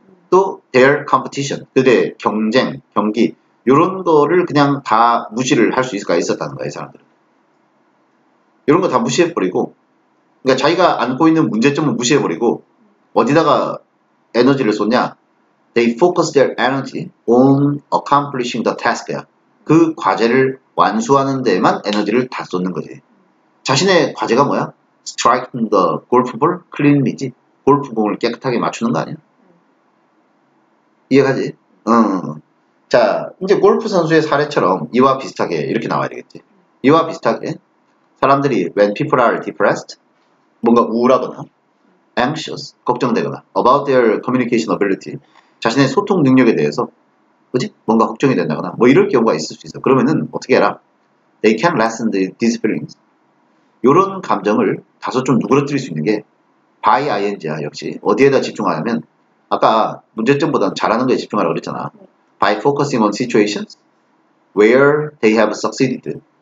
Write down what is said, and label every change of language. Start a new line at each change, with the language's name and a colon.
Korean: 또
English: their competition.
Korean: 그들의 경쟁, 경기. 이런 거를 그냥 다 무시를 할 수 있을까 있었다는 거야. 이 사람들은. 이런 거 다 무시해버리고 그러니까 자기가 안고 있는 문제점을 무시해버리고 어디다가 에너지를 쏟냐.
English: They focus their energy on accomplishing the task야.
Korean: 그 과제를 완수하는 데만 에너지를 다 쏟는 거지. 자신의 과제가 뭐야?
English: Striking the golf ball cleanly지.
Korean: 골프공을 깨끗하게 맞추는 거 아니야? 이해가지? 자, 이제 골프 선수의 사례처럼 이와 비슷하게 이렇게 나와야 되겠지. 이와 비슷하게 사람들이
English: when people are depressed,
Korean: 뭔가 우울하거나 anxious, 걱정되거나
English: about their communication ability,
Korean: 자신의 소통 능력에 대해서 그지? 뭔가 걱정이 된다거나 뭐 이럴 경우가 있을 수 있어. 그러면은 어떻게 해라?
English: They can lessen these feelings.
Korean: 요런 감정을 다소 좀 누그러뜨릴 수 있는 게 by ing야. 역시 어디에다 집중하냐면 아까 문제점보다는 잘하는 거에 집중하라고 그랬잖아.
English: By focusing on situations where they have succeeded.